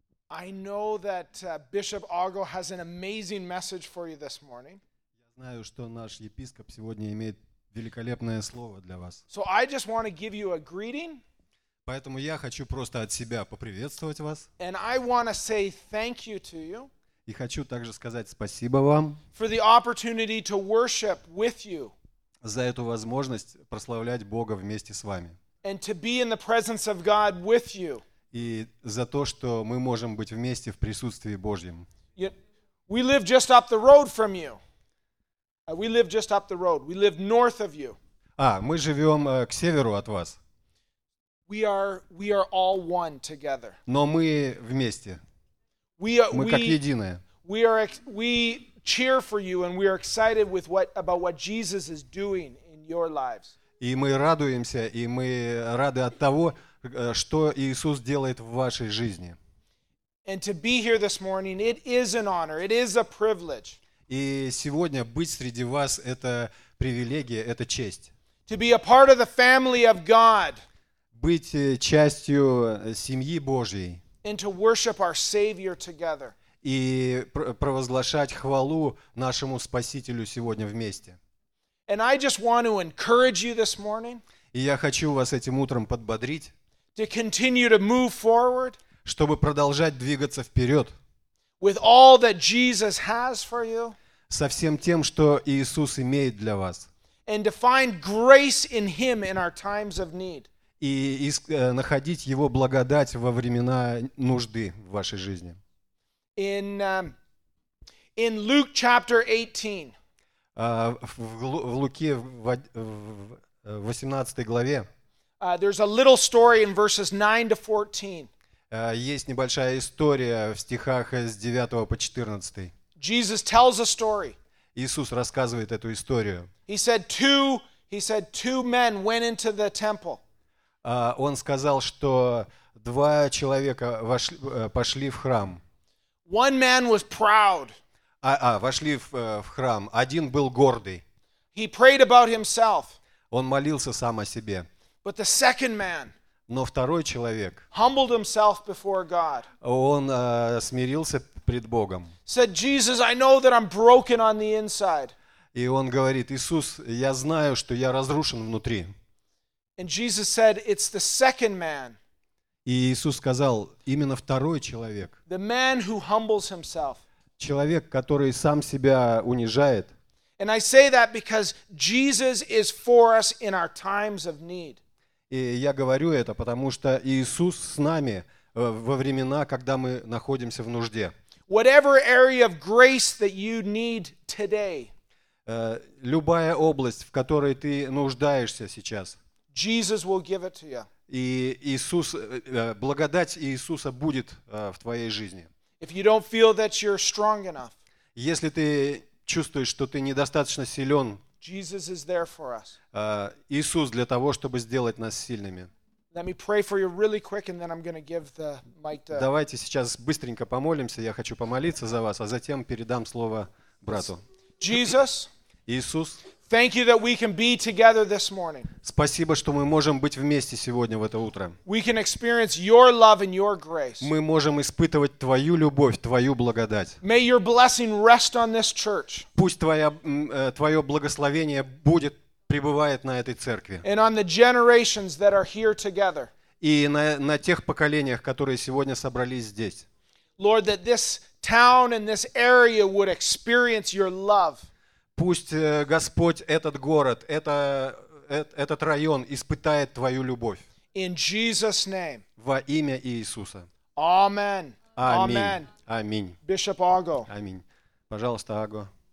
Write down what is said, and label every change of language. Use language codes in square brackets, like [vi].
[en] I know that Bishop Argo has an amazing message for you this morning. [ru] Я знаю, что наш епископ сегодня имеет великолепное слово для вас. [en] So I just want to give you a greeting. [ru] Поэтому я хочу просто от себя поприветствовать вас. [en] And I want to say thank you to you. [ru] И хочу также сказать спасибо вам. [en] For the opportunity to worship with you. [ru] За эту возможность прославлять Бога вместе с вами. [en] And to be in the presence of God with you. [ru] И за то, что мы можем быть вместе в присутствии Божьем. [en] We live just up the road from you. We live just up the road. We live north of you. [ru] Мы живем к северу от вас. [en] We are all one together. [ru] Но мы вместе. Мы как единое. [en] We cheer for you and we are excited about what Jesus is doing in your lives. [ru] И мы радуемся, и мы рады от того, что Иисус делает в вашей жизни. [en] And to be here this morning, it is an honor, it is a privilege. [ru] И сегодня быть среди вас – это привилегия, это честь. [en] To be a part of the family of God. [ru] Быть частью семьи Божьей. [en] And to worship our Savior together. [ru] И провозглашать хвалу нашему Спасителю сегодня вместе. [en] And I just want to encourage you this morning. [ru] И я хочу вас этим утром подбодрить. [en] To continue to move forward. [ru] Чтобы продолжать двигаться вперед. [en] With all that Jesus has for you. [ru] Со всем тем, что Иисус имеет для вас. [en] and to find grace in Him in our times of need. [ru] И находить Его благодать во времена нужды в вашей жизни. [en] In Luke chapter 18. [ru] В Луке в 18 главе. [en] There's a little story in verses 9 to 14. [ru] Есть небольшая история в стихах с 9 по 14. [en] Jesus tells a story. [ru] Иисус рассказывает эту историю. [en] He said two men went into the temple. [ru] Он сказал, что два человека пошли в храм. [en] One man was proud. [ru] Вошли в храм. Один был гордый. [en] He prayed about himself. [ru] Он молился сам о себе. [en] But the second man. [ru] Но второй человек, [en] humbled himself before God. [ru] Он смирился пред Богом. [en] Said, Jesus, I know that I'm broken on the inside. [ru] И он говорит, Иисус, я знаю, что я разрушен внутри. [en] And Jesus said, it's the second man. [ru] И Иисус сказал, именно второй человек. [en] The man who humbles himself. [ru] Человек, который сам себя унижает. [en] And I say that because Jesus is for us in our times of need. [ru] И я говорю это, потому что Иисус с нами во времена, когда мы находимся в нужде. [en] Whatever area of grace that you need today. [ru] Любая область, в которой ты нуждаешься сейчас. [en] Jesus will give it to you. [ru] И Иисус, благодать Иисуса будет в твоей жизни. [en] If you don't feel that you're strong enough. [ru] Если ты чувствуешь, что ты недостаточно силен, [en] Jesus is there for us. [ru] Иисус для того, чтобы сделать нас сильными. [en] Let me pray for you really quick, and then I'm going to give the mic to. [ru] Давайте сейчас быстренько помолимся. Я хочу помолиться за вас, а затем передам слово брату. [en] Jesus. [ru] Иисус. [en] Thank you that we can be together this morning. [ru] Спасибо, что мы можем быть вместе сегодня в это утро. [en] We can experience your love and your grace. [ru] Мы можем испытывать твою любовь, твою благодать. [en] May your blessing rest on this church. [ru] Пусть твое благословение пребывает на этой церкви. [en] And on the generations that are here together. [ru] И на тех поколениях, которые сегодня собрались здесь. [en] Lord, that this town and this area would experience your love. [ru] Пусть Господь этот город, этот район испытает твою любовь. [en] In Jesus' name. [ru] Во имя Иисуса. [en] Amen. [ru] Аминь. Аминь. [en] Bishop Ago. [ru] Аминь. Пожалуйста, Аго.